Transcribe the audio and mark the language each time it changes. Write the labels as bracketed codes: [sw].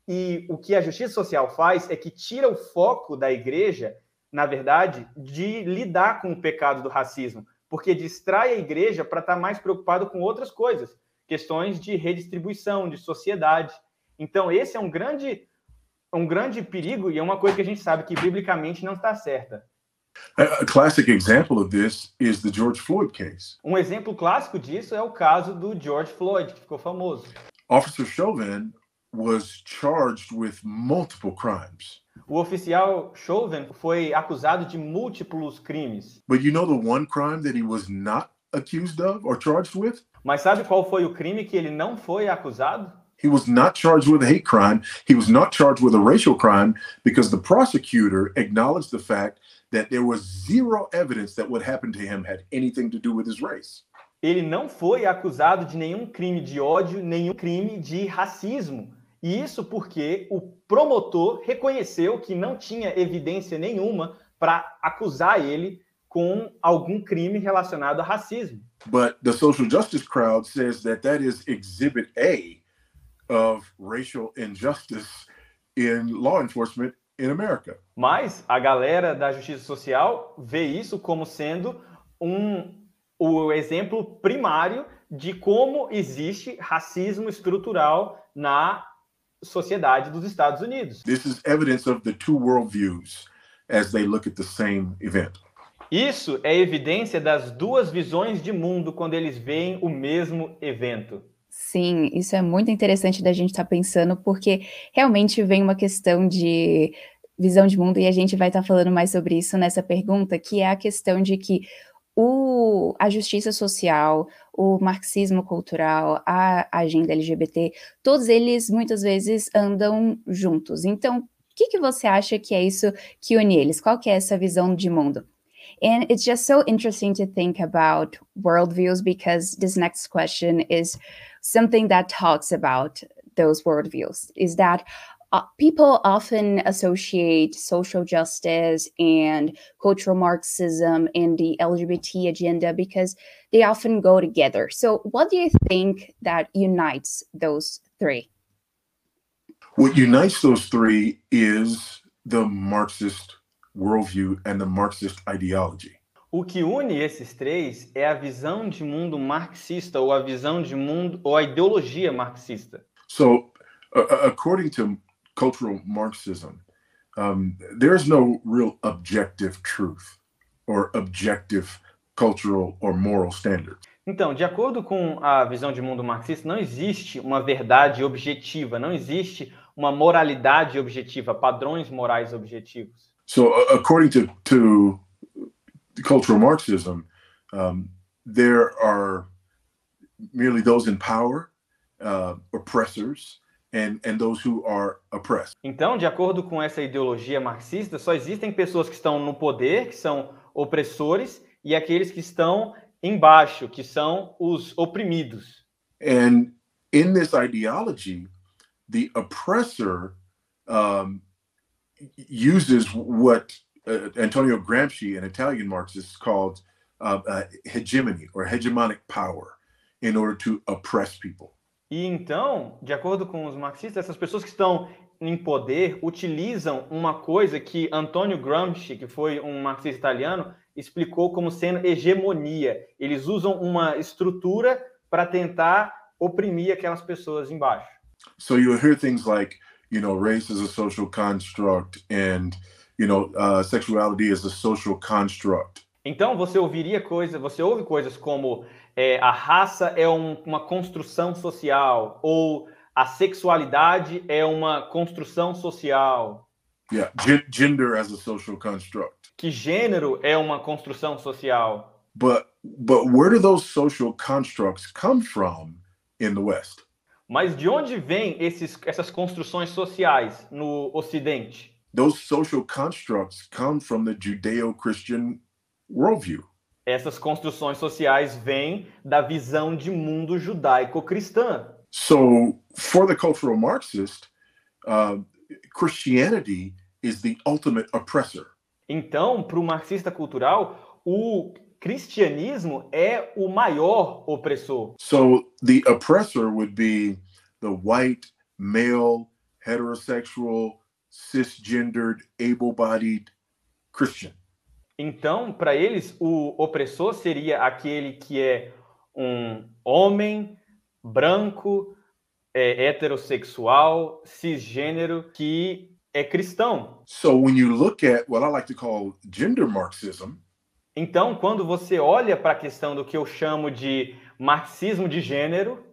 [pt] E o que a justiça social faz é que tira o foco da igreja, na verdade, de lidar com o pecado do racismo, porque distrai a igreja para estar mais preocupado com outras coisas, questões de redistribuição, de sociedade. Então, esse é um grande perigo, e é uma coisa que a gente sabe que biblicamente não está certa. [en] A classic example of this is the George Floyd case. [pt] Um exemplo clássico disso é o caso do George Floyd, que ficou famoso. [en] Officer Chauvin was charged with multiple crimes. [pt] O oficial Chauvin foi acusado de múltiplos crimes. [en] But you know the one crime that he was not accused of or charged with? [pt] Mas sabe qual foi o crime que ele não foi acusado? [en] He was not charged with a hate crime. He was not charged with a racial crime because the prosecutor acknowledged the fact that there was zero evidence that what happened to him had anything to do with his race. [pt] Ele não foi acusado de nenhum crime de ódio, nenhum crime de racismo. E isso porque o promotor reconheceu que não tinha evidência nenhuma para acusar ele com algum crime relacionado a racismo. [en] But the social justice crowd says that that is exhibit A of racial injustice in law enforcement in America. [pt] Mas a galera da justiça social vê isso como sendo o exemplo primário de como existe racismo estrutural na sociedade dos Estados Unidos. [en] This is evidence of the two worldviews as they look at the same event. [pt] Isso é evidência das duas visões de mundo quando eles veem o mesmo evento. Sim, isso é muito interessante da gente estar pensando, porque realmente vem uma questão de visão de mundo, e a gente vai estar falando mais sobre isso nessa pergunta, que é a questão de que a justiça social, o marxismo cultural, a agenda LGBT, todos eles muitas vezes andam juntos. Então, o que você acha que é isso que une eles? Qual que é essa visão de mundo? [en] And it's just so interesting to think about worldviews because this next question is something that talks about those worldviews, is that people often associate social justice and cultural Marxism and the LGBT agenda because they often go together. So what do you think that unites those three? What unites those three is the Marxist worldview and the Marxist ideology. [pt] O que une esses três é a visão de mundo marxista ou a visão de mundo ou a ideologia marxista. [en] So, according to cultural Marxism, there is no real objective truth or objective cultural or moral standard. [pt] Então, de acordo com a visão de mundo marxista, não existe uma verdade objetiva, não existe uma moralidade objetiva, padrões morais objetivos. [en] So, according to cultural Marxism, there are merely those in power, oppressors, and those who are oppressed. [pt] Então, de acordo com essa ideologia marxista, só existem pessoas que estão no poder, que são opressores, e aqueles que estão embaixo, que são os oprimidos. [en] And in this ideology, the oppressor uses what Antonio Gramsci, an Italian Marxist, called hegemony or hegemonic power in order to oppress people. [pt] E então, de acordo com os marxistas, essas pessoas que estão em poder utilizam uma coisa que Antonio Gramsci, que foi um marxista italiano, explicou como sendo hegemonia. Eles usam uma estrutura para tentar oprimir aquelas pessoas embaixo. [en] So you hear things like, you know, race is a social construct and, you know, sexuality is a social construct. [pt] Então, você ouve coisas como a raça é uma construção social ou a sexualidade é uma construção social. [en] Yeah, gender as a social construct. [pt] Que gênero é uma construção social. [en] But where do those social constructs come from in the West? [pt] Mas de onde vêm essas construções sociais no Ocidente? [en] Those social constructs come from the Judeo-Christian worldview. [pt] Essas construções sociais vêm da visão de mundo judaico-cristã. [en] So, for the cultural Marxist, Christianity is the ultimate oppressor. [pt] Então, para o marxista cultural, o cristianismo é o maior opressor. [en] So, the oppressor would be the white, male, heterosexual, cisgendered, able-bodied Christian. [pt] Então, para eles, o opressor seria aquele que é um homem branco, heterossexual, cisgênero, que é cristão. [en] So, when you look at what I like to call gender Marxism. [pt] Então, quando você olha para a questão do que eu chamo de marxismo de gênero.